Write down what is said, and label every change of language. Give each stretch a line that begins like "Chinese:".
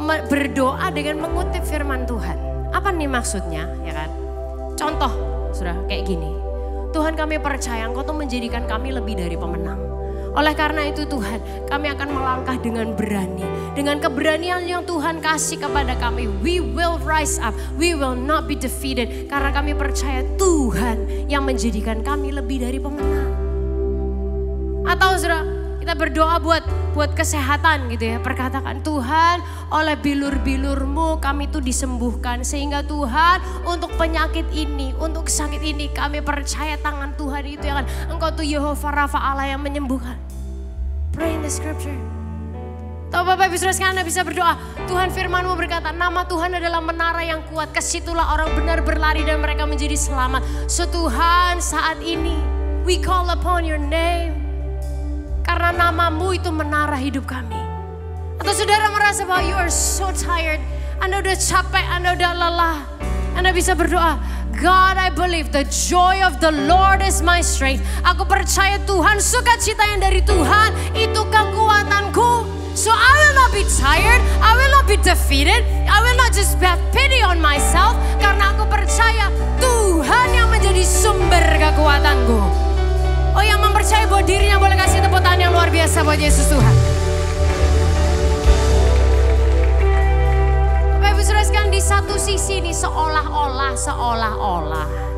Indonesian: Berdoa dengan mengutip firman Tuhan. Apa nih maksudnya, ya kan? Contoh, sudah kayak gini. Tuhan kami percaya Engkau tuh menjadikan kami lebih dari pemenang. Oleh karena itu Tuhan, kami akan melangkah dengan berani. Dengan keberanian yang Tuhan kasih kepada kami.
English: We will rise up, we will not be defeated.
Indonesian: Karena kami percaya Tuhan yang menjadikan kami lebih dari pemenang. Atau saudara, kita berdoa buat kesehatan gitu ya. Perkatakan Tuhan, oleh bilur-bilur-Mu kami tuh disembuhkan. Sehingga Tuhan, untuk penyakit ini, untuk sakit ini, kami percaya tangan Tuhan itu yang akan, Engkau tuh Yehovah Rafa Allah yang menyembuhkan.
English: Pray in the scripture.
Indonesian: Tahu Bapak Ibu Saudara sekalian, Anda bisa berdoa. Tuhan firman-Mu berkata, nama Tuhan adalah menara yang kuat. Kesitulah orang benar berlari dan mereka menjadi selamat. So Tuhan, saat ini,
English: we call upon your name.
Indonesian: Karena nama-Mu itu menara hidup kami. Atau saudara merasa bahwa
English: you are so tired.
Indonesian: Anda udah capek, Anda udah lelah. Anda bisa berdoa.
English: God, I believe the joy of the Lord is my strength.
Indonesian: Aku percaya Tuhan, sukacita yang dari Tuhan itu kekuatanku.
English: So I will not be tired. I will not be defeated. I will not just have pity on myself.
Indonesian: Karena aku percaya Tuhan yang menjadi sumber kekuatanku. Oh, yang mempercayai buat dirinya boleh kasih tepuk tangan yang luar biasa buat Yesus Tuhan. Bapak Ibu Saudara sekalian, di satu sisi nih seolah-olah.